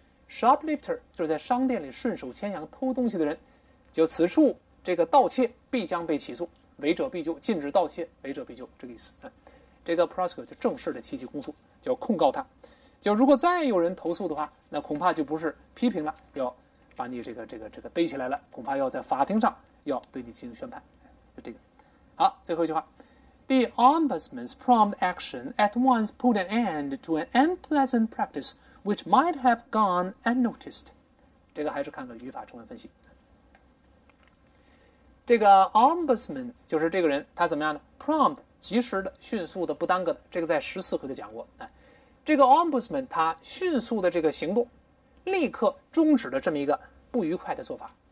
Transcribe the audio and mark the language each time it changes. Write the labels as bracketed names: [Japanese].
[Chinese] Shoplifter 就是在商店里顺手牵羊偷东西的人，就此处这个盗窃必将被起诉，违者必究，禁止盗窃，违者必究，这个意思。这个 prosecute 就正式的提起公诉，就要控告他。就如果再有人投诉的话，那恐怕就不是批评了，要把你这个逮起来了，恐怕要在法庭上要对你进行宣判。就这个。好，最后一句话。 [English] The ombudsman's prompt action at once put an end to an unpleasant practice which might have gone unnoticed. [Chinese] 这个还是看个语法成分分析。这个 ombudsman 就是这个人，他怎么样呢？prompt 及时的、迅速的、不耽搁的，这个在十四回就讲过。这个 ombudsman 他迅速的这个行动，立刻终止了这么一个不愉快的做法。